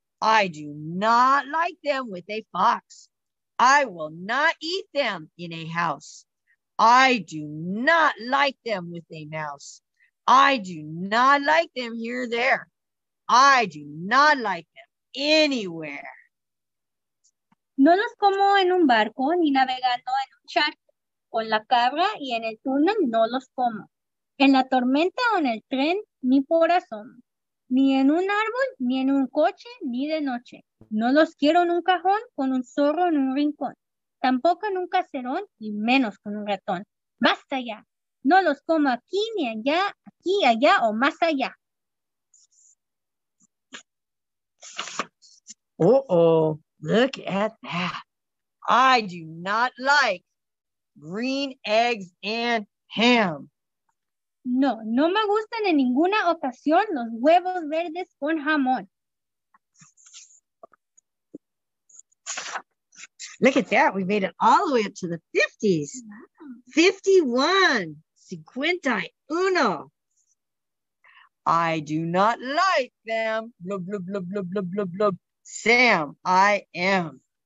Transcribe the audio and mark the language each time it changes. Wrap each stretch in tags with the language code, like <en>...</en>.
<en>I do not like them with a fox. I will not eat them in a house. I do not like them with a mouse. I do not like them here or there. I do not like them anywhere.</en> <es>No los como en un barco ni navegando en un charco. Con la cabra y en el túnel no los como. En la tormenta o en el tren, ni por asomo. Ni en un árbol, ni en un coche, ni de noche. No los quiero en un cajón con un zorro en un rincón. Tampoco en un caserón y menos con un ratón. ¡Basta ya! No los como aquí ni allá, aquí, allá o más allá.</es> <en>Uh-oh, look at that. I do not like green eggs and ham.</en> <es>No, no me gustan en ninguna ocasión los huevos verdes con jamón.</es> <en>Look at that. We made it all the way up to the 50s. Wow. 51. 51. I do not like them. Blub, blub, blub, blub, blub, blub, blub. Sam, I am.</en>